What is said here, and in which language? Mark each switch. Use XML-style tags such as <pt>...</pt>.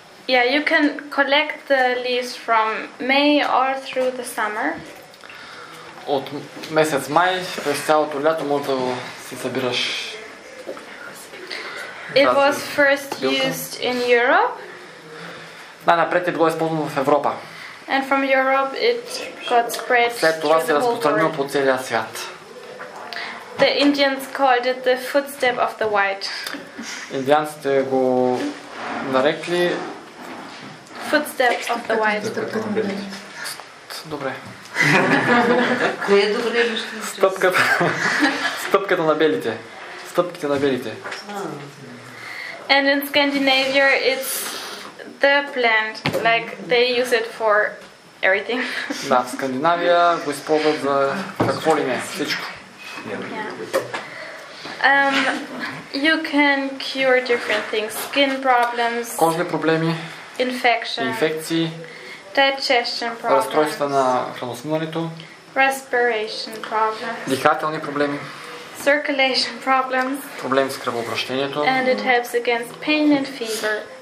<en>Yeah, you can collect the leaves from May or through the summer.</en> <bg>От месец май през цялото лято може да си събираш.</bg> <en>It was first used in Europe.</en> <bg>Най-напред е било използвано в Европа.</bg> <en>And from Europe it got spread.</en> <bg>След това се разпространило по целия свят.</bg> <en>The Indians called it the footstep of the white.</en> <bg>Индианците го нарекли</bg> <en>footstep of the white.</en> <bg>Добре. Кое е добре лично? Стъпката. Стъпката на белите. Стъпките на белите.</bg> <en>And in Scandinavia it's the plant, like they use it for everything.</en> <bg>Да, в Скандинавия го използват за какво ли не, всичко.</bg> <en>You can cure different things, skin problems,</en> <bg>кожни проблеми,</bg> <en>infection,</en> <bg>инфекции,</bg> <en>digestion problems,</en> <bg>разстройства на храносмилането,</bg> <en>respiration problems,</en> <bg>дихателни проблеми,</bg> <en>circulation problems,</en> <bg>проблеми с кръвообращението,</bg> <en>and it helps against pain and fever,</en>